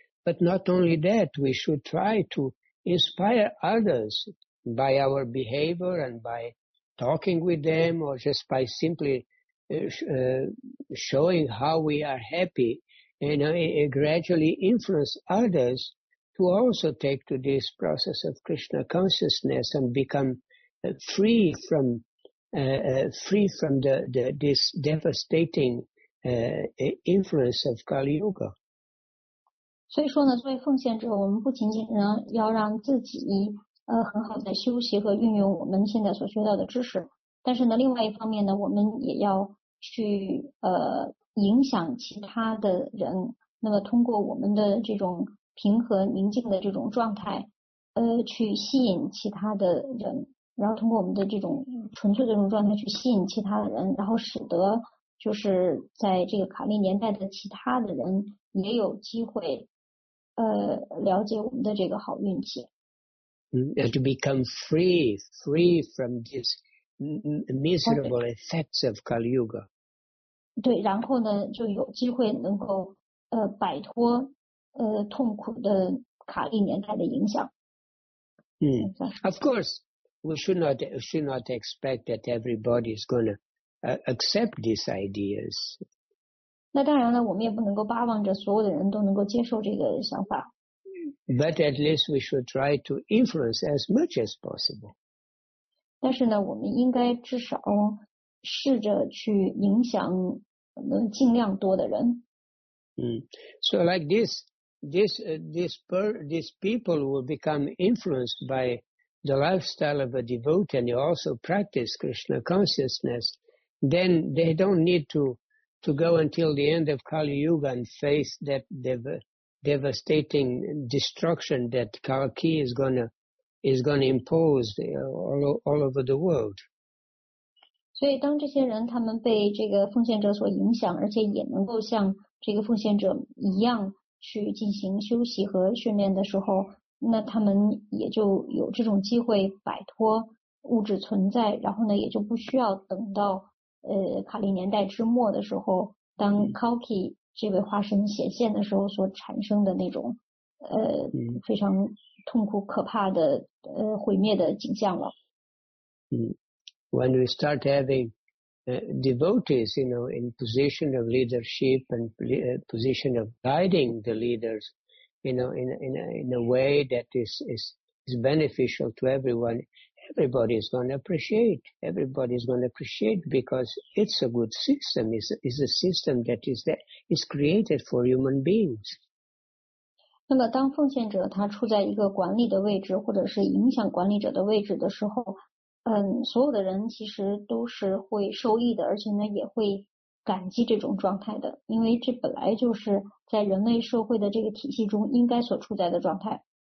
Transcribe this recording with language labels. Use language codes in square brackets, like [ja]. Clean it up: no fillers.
[en] But not only that, we should try to inspire others by our behavior and by talking with them or just by simply showing how we are happy, gradually influence others to also take to this process of Krishna consciousness and become free from this devastating influence of Kali Yuga. [zh] 所以说呢，作为奉献者，我们不仅仅呢要让自己很好的修习和运用我们现在所学到的知识，但是呢，另外一方面呢，我们也要去影响其他的人。那么通过我们的这种平和宁静的这种状态，去吸引其他的人。然后通过我们的这种纯粹的这种状态去吸引其他的人，然后使得就是在这个卡利年代的其他的人也有机会了解我们的这个好运气。 [en] And to become free from this miserable effects of Kali Yuga. [zh] 对，然后呢就有机会能够摆脱痛苦的卡利年代的影响。 [en] Of course. We should not expect that everybody is going to accept these ideas. [zh] 那当然了，我们也不能够巴望着所有的人都能够接受这个想法。 [en] But at least we should try to influence as much as possible. [zh] 但是呢，我们应该至少试着去影响能尽量多的人。 [en] So like these people will become influenced by. The lifestyle of a devotee and you also practice Krishna consciousness, then they don't need to go until the end of Kali Yuga and face that devastating destruction that Kalki is gonna impose all over the world. [zh] 所以当这些人他们被这个奉献者所影响，而且也能够像这个奉献者一样去进行修习和训练的时候，那他们也就有这种机会摆脱物质存在，然后呢也就不需要等到卡利年代之末的时候，当 Kalki 这位化身显现的时候所产生的那种非常痛苦可怕的毁灭的景象了。 [en] When we start having devotees, you know, in position of leadership and position of guiding the leaders, you know, in a way that is beneficial to everyone, everybody is going to appreciate. Everybody is going to appreciate because it's a good system. It's a system that is there, is created for human beings. [zh] 那么当奉献者他处在一个管理的位置或者是影响管理者的位置的时候所有的人其实都是会受益的而且呢也会感激这种状态的因为这本来就是在人类社会的这个体系中应该所处在的状态。